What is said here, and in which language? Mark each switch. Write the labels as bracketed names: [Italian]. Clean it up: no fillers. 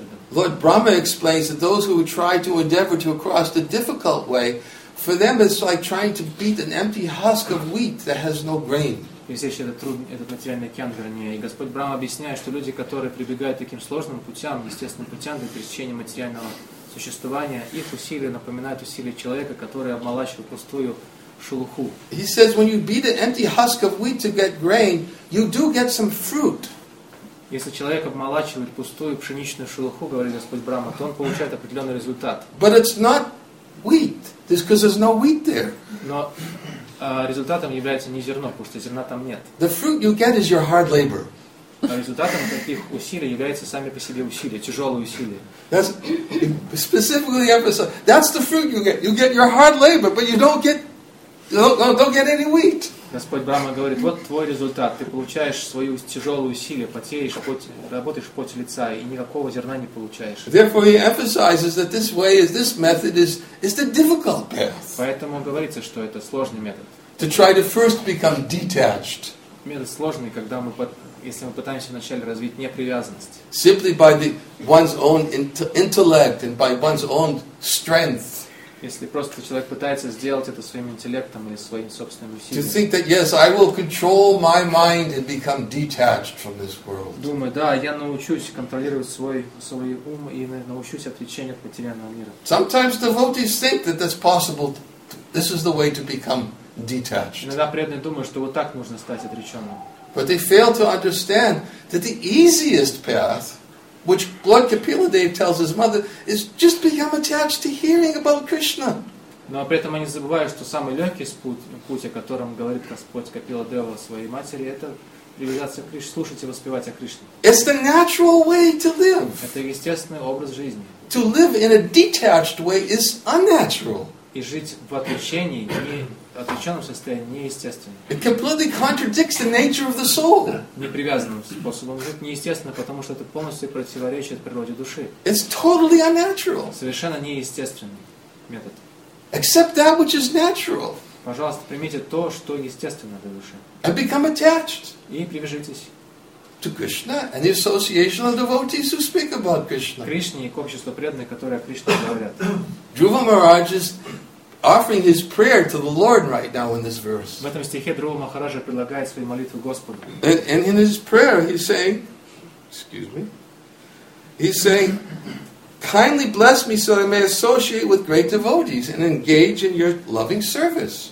[English] Lord Brahma explains that those who try to endeavor to cross the difficult way, for them it's like trying to beat an empty husk of wheat that has no grain. [Russian] Если это трудный, этот материальный океан, вернее, и Господь Брахма объясняет, что люди, которые прибегают к таким сложным путям, естественным путям для пересечения материального существования, их усилия напоминают усилия человека, который обмолачивает пустую шелуху. [English] He says, when you beat an empty husk of wheat to get grain, you do get some fruit. [Russian] Если человек обмолачивает пустую пшеничную шелуху, говорит Господь Брахма, то он получает определенный результат. [English] But it's not wheat, just because there's no wheat there. [Russian] Но результатом является не зерно, потому что зерна там нет. [English] The fruit you get is your hard labor. [Russian] Результатом таких усилий являются сами по себе усилия, тяжелые усилия. [English] That's specifically emphasized. That's the fruit you get. You get your hard labor, but you don't get any wheat. [Russian] Господь Брахма говорит, вот твой результат. Ты получаешь свою тяжелую усилие, потеешь, работаешь поте лица, и никакого зерна не получаешь. [English] Therefore he emphasizes that this way, this method is the difficult path. [Russian] Поэтому говорится, что это сложный метод. [English] To try to first become detached. [Russian] Метод сложный, когда мы, если мы пытаемся вначале развить непривязанность. [English] Simply by one's own intellect and by one's own strength. [Russian] Если просто человек пытается сделать это своим интеллектом или своим собственным усилием. [English] To think that yes, I will control my mind and become detached from this world. [Russian] Думаю, да, я научусь контролировать свой ум и научусь отречению от материального мира. [English] Sometimes devotees think that that's possible. This is the way to become detached. [Russian] Иногда преданные думают, что вот так можно стать отреченным. [English] But they fail to understand that the easiest path, which Lord Kapila Dev tells his mother, is just become attached to hearing about Krishna. [Russian] Но при этом они забывают, что самый легкий путь, о котором говорит Господь Капила Дева своей матери, это привязаться к Кришне, слушать и воспевать о Кришне. [English] It's the natural way to live. [Russian] Это естественный образ жизни. [English] To live in a detached way is unnatural. [Russian] и жить в отречении, не отреченном состоянии, неестественно. [English] It completely contradicts the nature of the soul. [Russian] Непривязанным способом жить неестественно, потому что это полностью противоречит природе души. [English] It's totally unnatural. [Russian] Совершенно неестественный метод. [English] Accept that which is natural. [Russian] Пожалуйста, примите то, что естественно для души. [English] And become attached. [Russian] И привяжитесь. [English] To Krishna and the association of devotees who speak about Krishna. [Russian] Кришне и к обществу преданных, которые о Кришне говорят. [English] Dhruva Maharaj is offering his prayer to the Lord right now in this verse. [Russian] В этом стихе Друва Махараджа предлагает свою молитву Господу. [English] And in his prayer he's saying, excuse me, he's saying, kindly bless me so I may associate with great devotees and engage in your loving service.